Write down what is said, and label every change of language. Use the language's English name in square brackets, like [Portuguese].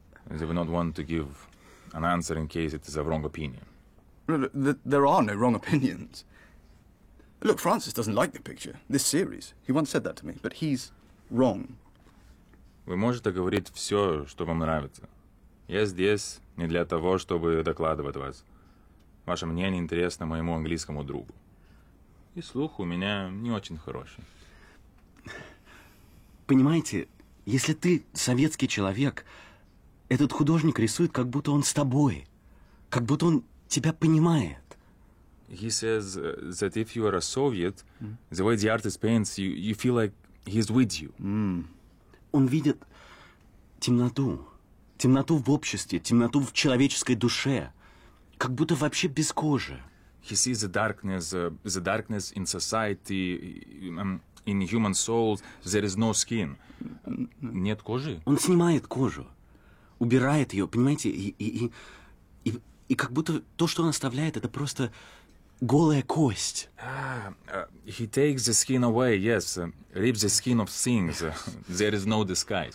[English] They would not want to give an answer in case it is a wrong opinion. There are no wrong opinions. Look, Francis doesn't like the picture, this series. He once said that to me, but he's wrong. [Russian] Вы можете говорить все, что вам нравится. Я здесь не для того, чтобы докладывать вас. Ваше мнение интересно моему английскому другу. И слух у меня не очень хороший. Понимаете, если ты советский человек, этот художник рисует, как будто он с тобой, как будто он тебя понимает. [English] He says that if you are a Soviet, the way the artist paints, you feel like he's with you. [Russian] Mm. Он видит темноту. Темноту в обществе, темноту в человеческой душе. Как будто вообще без кожи. [English] He sees the darkness in society, in human souls. There is no skin. [Russian] Нет кожи? Он снимает кожу, убирает ее, понимаете? И как будто то, что он оставляет, это просто голая кость. [English] He takes the skin away, yes. Rips the skin of things. There is no disguise.